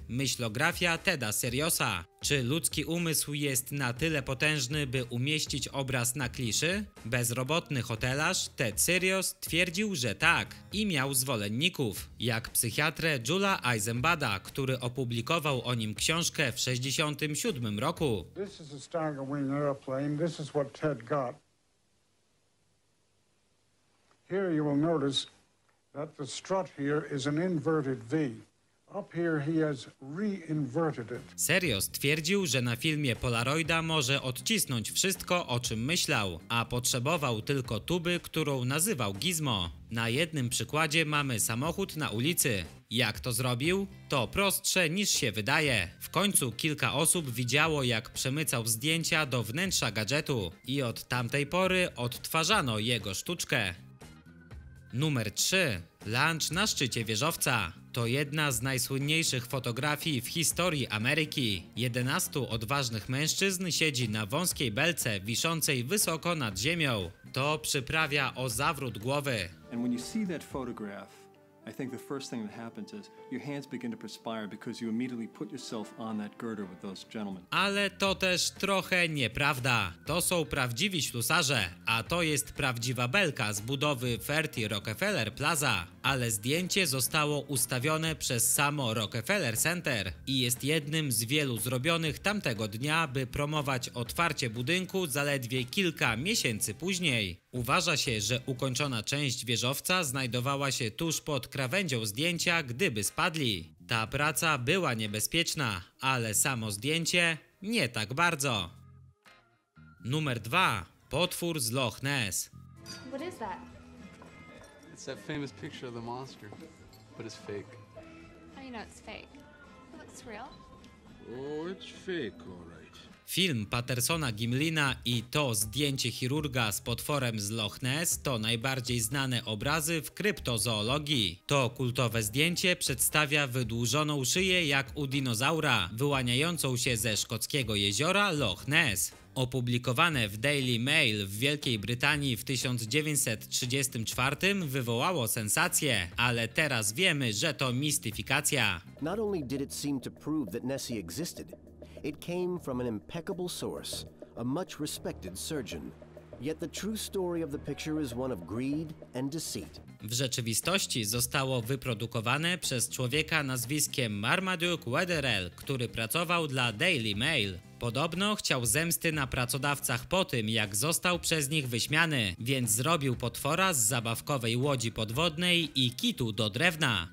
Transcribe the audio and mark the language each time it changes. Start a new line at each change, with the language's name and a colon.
Polish: Myślografia Teda Seriosa. Czy ludzki umysł jest na tyle potężny, by umieścić obraz na kliszy? Bezrobotny hotelarz Ted Serios twierdził, że tak i miał zwolenników, jak psychiatrę Jula Eisenbada, który opublikował o nim książkę w 1967 roku.
English: This is a Starwing airplane. This is what Ted got. Here you will notice that the strut here is an inverted V. Up here he has re-inverted it.
Polish: Serio stwierdził, że na filmie Polaroida może odcisnąć wszystko, o czym myślał, a potrzebował tylko tuby, którą nazywał gizmo. Na jednym przykładzie mamy samochód na ulicy. Jak to zrobił? To prostsze niż się wydaje. W końcu kilka osób widziało, jak przemycał zdjęcia do wnętrza gadżetu i od tamtej pory odtwarzano jego sztuczkę. Numer 3. Lunch na szczycie wieżowca. To jedna z najsłynniejszych fotografii w historii Ameryki. 11 odważnych mężczyzn siedzi na wąskiej belce wiszącej wysoko nad ziemią. To przyprawia o zawrót głowy.
English: And when you see that photograph, I think the first thing that happens is your hands begin to perspire because you immediately put yourself on that girder with those gentlemen.
Polish: Ale to też trochę nieprawda. To są prawdziwi ślusarze, a to jest prawdziwa belka z budowy Ferdi Rockefeller Plaza. Ale zdjęcie zostało ustawione przez samo Rockefeller Center i jest jednym z wielu zrobionych tamtego dnia, by promować otwarcie budynku zaledwie kilka miesięcy później. Uważa się, że ukończona część wieżowca znajdowała się tuż pod krawędzią zdjęcia, gdyby spadli. Ta praca była niebezpieczna, ale samo zdjęcie nie tak bardzo. Numer 2. Potwór z Loch Ness.
English: What is that? It's that famous picture of the monster, but it's fake. How do you know it's fake? It looks real. Oh, it's fake, all right.
Polish: Film Pattersona Gimlina i to zdjęcie chirurga z potworem z Loch Ness to najbardziej znane obrazy w kryptozoologii. To kultowe zdjęcie przedstawia wydłużoną szyję jak u dinozaura, wyłaniającą się ze szkockiego jeziora Loch Ness. Opublikowane w Daily Mail w Wielkiej Brytanii w 1934 wywołało sensację, ale teraz wiemy, że to mistyfikacja.
English: Not only did it seem to prove that Nessie existed, it came from an impeccable source, a much respected surgeon. Yet the true story of the picture is one of greed and deceit.
Polish: W rzeczywistości zostało wyprodukowane przez człowieka nazwiskiem Marmaduke Wetherell, który pracował dla Daily Mail. Podobno chciał zemsty na pracodawcach po tym, jak został przez nich wyśmiany, więc zrobił potwora z zabawkowej łodzi podwodnej i kitu do drewna.